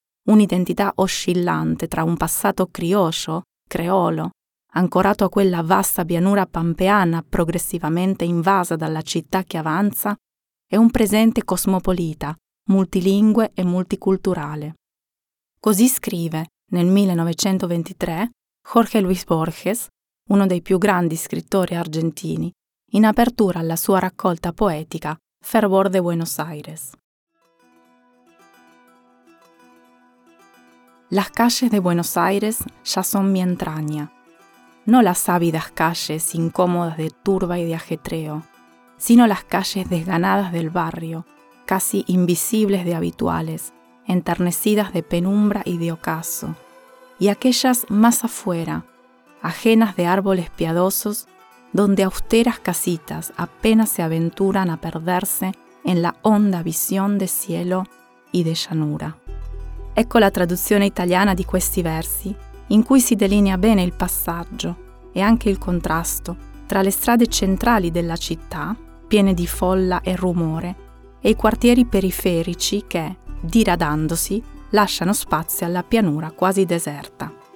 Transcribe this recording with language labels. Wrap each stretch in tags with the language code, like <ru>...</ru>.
<it>Un'identità oscillante tra un passato criollo, creolo, ancorato a quella vasta pianura pampeana progressivamente invasa dalla città che avanza, è un presente cosmopolita, multilingue e multiculturale. Così scrive, nel 1923, Jorge Luis Borges, uno dei più grandi scrittori argentini, in apertura alla sua raccolta poetica Fervor de Buenos Aires.</it> <es>Las calles de Buenos Aires ya son mi entraña. No las ávidas calles incómodas de turba y de ajetreo, sino las calles desganadas del barrio, casi invisibles de habituales, enternecidas de penumbra y de ocaso, y aquellas más afuera, ajenas de árboles piadosos, donde austeras casitas apenas se aventuran a perderse en la honda visión de cielo y de llanura.</es> <it>Ecco la traduzione italiana di questi versi, in cui si delinea bene il passaggio e anche il contrasto tra le strade centrali della città, piene di folla e rumore, e i quartieri periferici che, diradandosi, lasciano spazio alla pianura quasi deserta.</it>